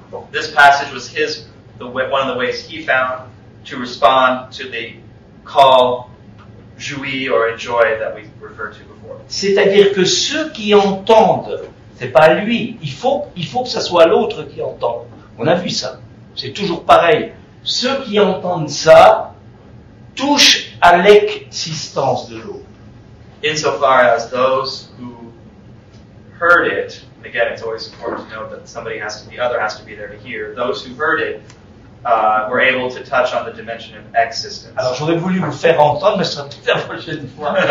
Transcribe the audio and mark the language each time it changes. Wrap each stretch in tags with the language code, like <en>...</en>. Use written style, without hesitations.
<en>This passage was his, one of the ways he found to respond to the call, jouir or enjoy that we referred to before.</en> <fr>C'est-à-dire que ceux qui entendent, c'est pas lui, il faut que ça soit l'autre qui entend. On a vu ça, c'est toujours pareil. Ceux qui entendent ça touchent à l'existence de l'autre.</fr> <en>Insofar as those who heard it, again, it's always important to note that somebody has to, the other has to be there to hear, those who heard it, were able to touch on the dimension of existence.</en> <fr>Alors, j'aurais voulu vous faire entendre, mais ce sera peut-être la prochaine fois.</fr>